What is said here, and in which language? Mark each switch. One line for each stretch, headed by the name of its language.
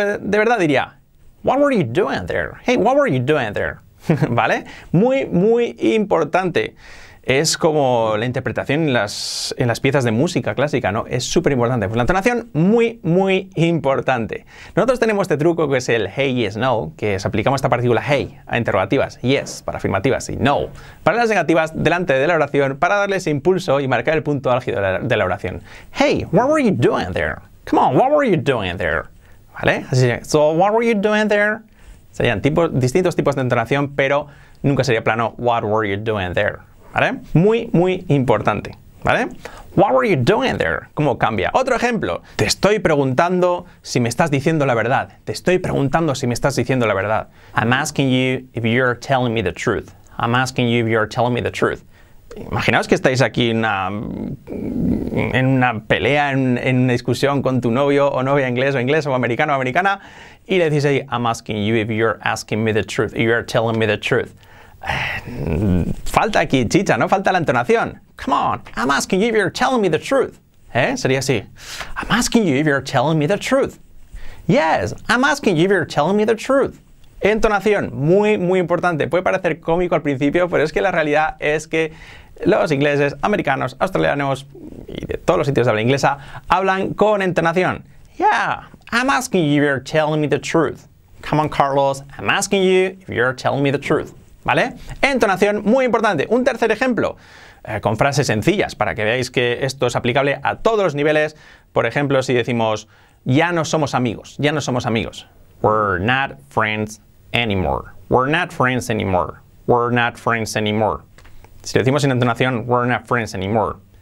Spanish: De verdad diría,
English: what were you doing there? Hey, what were you doing there?
Spanish: ¿Vale? Muy, muy importante. Es como la interpretación en las piezas de música clásica, ¿no? Es súper importante. Pues la entonación, muy, muy importante. Nosotros tenemos este truco que es el hey, yes, no, que es aplicamos esta partícula hey a interrogativas, yes, para afirmativas, y no, para las negativas, delante de la oración, para darle ese impulso y marcar el punto álgido de la oración.
English: Hey, what were you doing there? Come on, what were you doing there?
Spanish: ¿Vale? Así,
English: so, what were you doing there?
Spanish: Serían distintos tipos de entonación, pero nunca sería plano,
English: what were you doing there?
Spanish: ¿Vale? Muy, muy importante. ¿Vale?
English: What were you doing there?
Spanish: ¿Cómo cambia? Otro ejemplo. Te estoy preguntando si me estás diciendo la verdad. Te estoy preguntando si me estás diciendo la verdad.
English: I'm asking you if you're telling me the truth. I'm asking you if you're telling me the truth.
Spanish: Imaginaos que estáis aquí en una pelea, en una discusión con tu novio o novia inglés o americano o americana, y le decís ahí,
English: I'm asking you if you're asking me the truth. If you're telling me the truth.
Spanish: Falta aquí chicha, ¿no? Falta la entonación.
English: Come on, I'm asking you if you're telling me the truth.
Spanish: Sería así.
English: I'm asking you if you're telling me the truth. Yes, I'm asking you if you're telling me the truth.
Spanish: Entonación, muy, muy importante. Puede parecer cómico al principio, pero es que la realidad es que los ingleses, americanos, australianos y de todos los sitios de habla inglesa hablan con entonación.
English: Yeah, I'm asking you if you're telling me the truth. Come on, Carlos, I'm asking you if you're telling me the truth.
Spanish: ¿Vale? Entonación, muy importante. Un tercer ejemplo, con frases sencillas, para que veáis que esto es aplicable a todos los niveles. Por ejemplo, si decimos, ya no somos amigos, ya no somos amigos.
English: We're not friends anymore. We're not friends anymore. We're not friends anymore.
Spanish: Si lo decimos sin entonación,
English: we're not friends anymore.